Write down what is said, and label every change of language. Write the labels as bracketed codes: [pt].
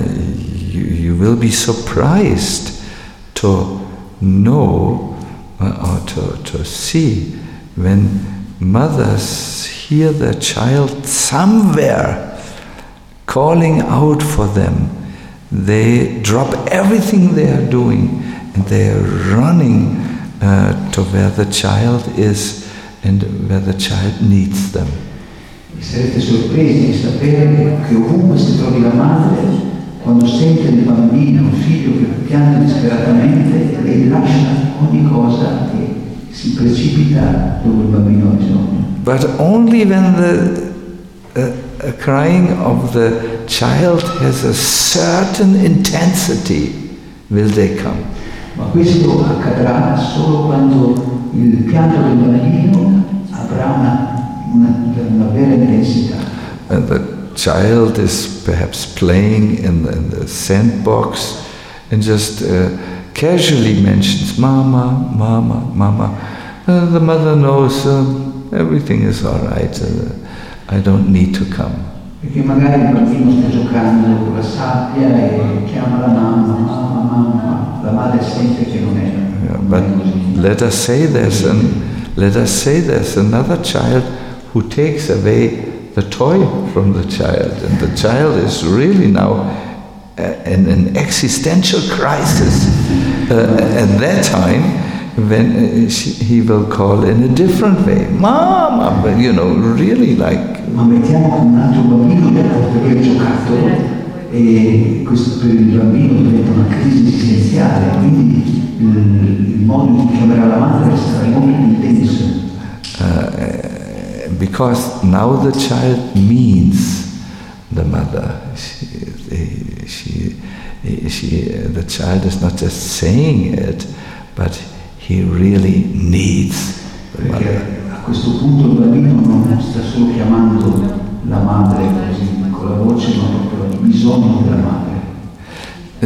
[en] You will be surprised to know or to see when mothers hear their child somewhere calling out for them, they drop everything they are doing and they are running to where the child is and where the child needs them. [it] Sarete sorpresi di sapere che ovunque si trovi la madre, quando sente il bambino, un figlio che piange disperatamente, lei lascia ogni cosa e si precipita dove il bambino ha bisogno. [en] But only when the crying of the child has a certain intensity will they come. [it] Ma questo accadrà solo quando il pianto del bambino avrà una vera intensità. [en] And the child is perhaps playing in the sandbox and just casually mentions mama, mama, mama. The mother knows everything is all right. I don't need to come. [it] Perché magari il bambino sta giocando con la sabbia e chiama la mamma, mamma, mamma. La madre sente che non è. [en] Yeah, but let us say this, and let us say this: another child who takes away the toy from the child, and the child is really now in an existential crisis. At that time, when he will call in a different way, mama, but you know, really like. [it] Ma mettiamo con un altro bambino che porta via il giocattolo e questo per il bambino diventa una crisi esistenziale, quindi il modo in cui chiamerà la madre sarà molto intenso. [en] Uh, because now the child means the mother. The child is not just saying it, but he really needs the mother. [it] A questo punto il bambino non sta solo chiamando la madre con la voce, ma proprio il bisogno della madre.